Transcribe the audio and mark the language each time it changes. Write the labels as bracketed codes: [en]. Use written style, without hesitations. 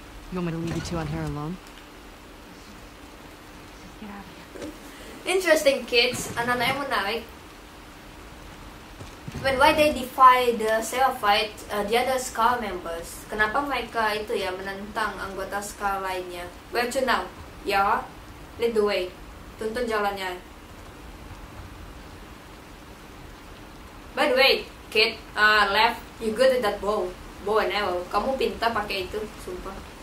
[en] You want me to leave you two on here alone? Get out of here. Interesting, kids. [tl] Ananay mo na, [en] right? But why they defy the seraphite, the other Scar members? [id] Kenapa mereka itu ya menentang anggota Scar lainnya? [en] Where to now? Yara? Lead the way. [id] Tuntun jalannya. [en] By the way, kid, Lev, you good at that bow. Bow and arrow. [id] Kamu pintar pakai itu, sumpah.